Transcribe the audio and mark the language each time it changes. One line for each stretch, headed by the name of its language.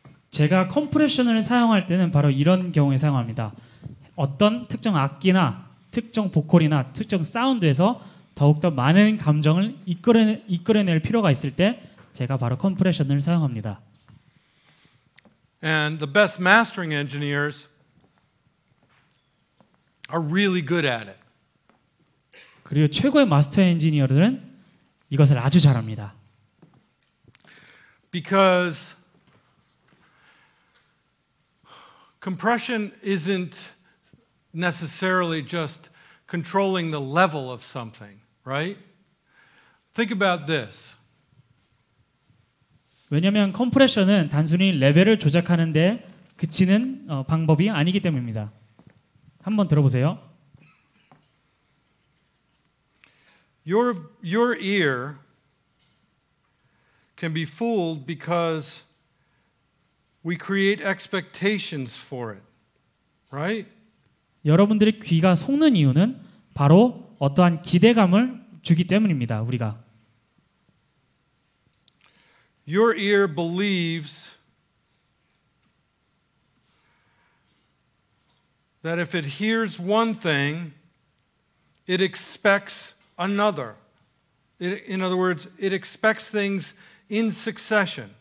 Korean: 제가 컴프레션을 사용할 때는 바로 이런 경우에 사용합니다. 어떤 특정 악기나 특정 보컬이나 특정 사운드에서 더욱더 많은 감정을 이끌어낼 필요가 있을 때 제가 바로 컴프레션을 사용합니다.
English: And the best mastering engineers are really good at it.
Korean: 그리고 최고의 마스터 엔지니어들은 이것을 아주 잘합니다.
English: Because compression isn't necessarily just controlling the level of something, right? Think about this.
Korean: 왜냐하면 컴프레션은 단순히 레벨을 조작하는 데 그치는 방법이 아니기 때문입니다. 한번 들어보세요.
English: Your ear can be fooled because we create expectations for it, right?
Korean: 여러분들의 귀가 속는 이유는 바로 어떠한 기대감을 주기 때문입니다. 우리가.
English: Your ear believes that if it hears one thing, it expects another. In other words, it expects things in succession.